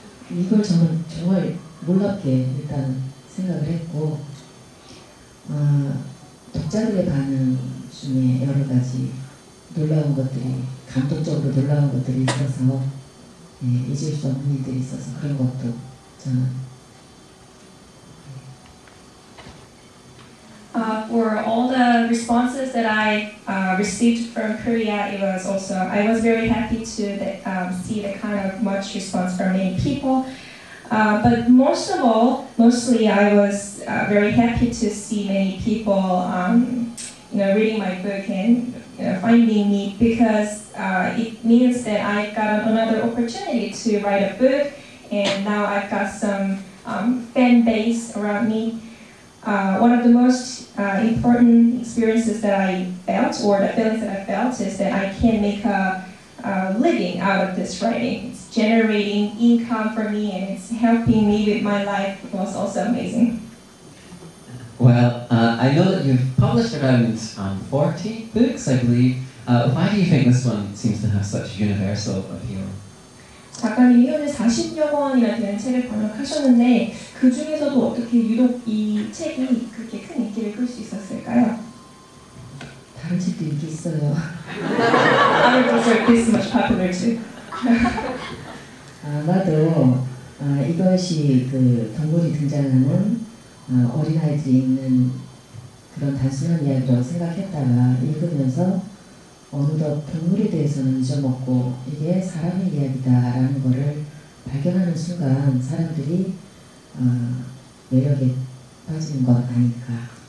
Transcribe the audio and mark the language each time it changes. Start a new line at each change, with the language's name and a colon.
Korean: 이걸 저는 정말 놀랍게 일단 생각을 했고 독자들의 반응 중에 여러 가지 놀라운 것들이 감동적으로 놀라운 것들이 있어서 잊을 수 없는 일들이 있어서 그런 것도 저는
English: For all the responses that I received from Korea, it was also, I was very happy to see the kind of much response from many people. But most of all, mostly I was very happy to see many people reading my book and finding me because it means that I got another opportunity to write a book and now I've got some fan base around me. One of the most important experiences that I felt, or the feelings that I felt, is that I can make a living out of this writing. It's generating income for me and it's helping me with my life. It was also amazing. Well, I know that you've published around 40 books, I believe. Why do you think this one seems to have such universal appeal?
Korean: 작가님 1년에 40여 권이나 되는 책을 번역하셨는데 그 중에서도 어떻게 유독 이 책이 그렇게 큰 인기를 끌 수 있었을까요? 다른 책도 인기 있어요.
English: Other books are this much popular too.
Korean: 아마도 이것이 그 덩굴이 등장하는 어린아이들이 있는 그런 단순한 이야기라고 생각했다가 읽으면서 어느덧 동물에 대해서는 잊어먹고 이게 사람의 이야기다 라는 것을 발견하는 순간 사람들이 매력에 빠지는 것 아닐까.